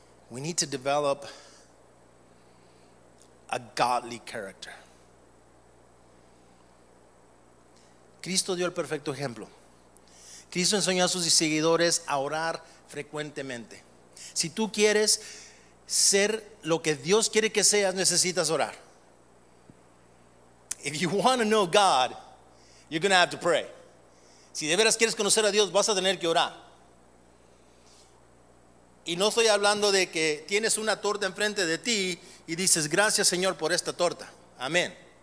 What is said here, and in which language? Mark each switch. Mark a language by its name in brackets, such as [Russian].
[English] We need to develop a godly character. [Spanish] Cristo dio el perfecto ejemplo. Cristo enseñó a sus seguidores a orar frecuentemente. Si tú quieres ser lo que Dios quiere que seas, necesitas orar. [English] If you want to know God, you're going to have to pray. [Spanish] Si de veras quieres conocer a Dios, vas a tener que orar. Y no estoy hablando de que tienes una torta enfrente de ti y dices, gracias Señor por esta torta. Amén.